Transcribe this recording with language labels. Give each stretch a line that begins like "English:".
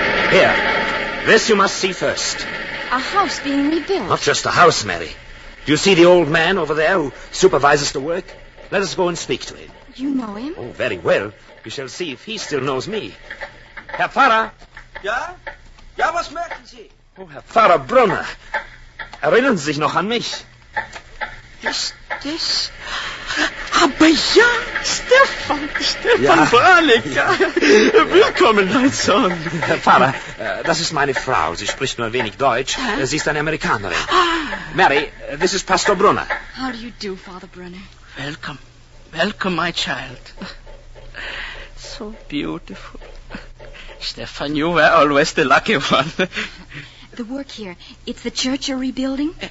English: Here. This you must see first. A house being rebuilt. Not just a house, Mary. Do you see the old man over there who supervises the work? Let us go and speak to him. You know him? Oh, very well. We shall see if he still knows me.
German: Herr Pfarrer? Ja? Ja, was möchten Sie? Oh, Herr Pfarrer Brunner. Erinnern Sie sich noch an mich? Ist das... Aber ja, Stefan ja. Brannock. Ja. Willkommen, mein Sohn. Herr Pfarrer, das ist meine Frau. Sie spricht nur ein wenig Deutsch. Hä? Sie ist eine Amerikanerin. Ah.
English: Mary, this is Pastor Brunner. How do you do, Father Brunner? Welcome, my child. So beautiful. Stefan, you were always the lucky one. The work here, it's the church you're rebuilding?